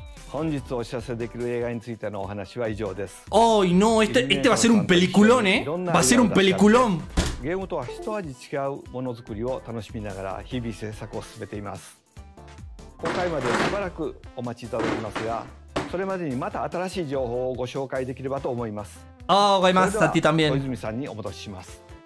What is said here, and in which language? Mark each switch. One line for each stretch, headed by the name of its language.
Japanese: 本日お知らせできる映画についてのお話は以上です。
Spanish: おー、いのー、este va a ser un peliculón, ¿eh? Va a ser un peliculón.
Japanese: ゲームとは一味違うものづくりを楽しみながら日々制作を進めています。今回までしばらくお待ちいただきますが、それまでにまた新しい情報をご紹介できればと思います。あー、わかります。さっき
Spanish: también。
Japanese: 小泉さんにお戻しします。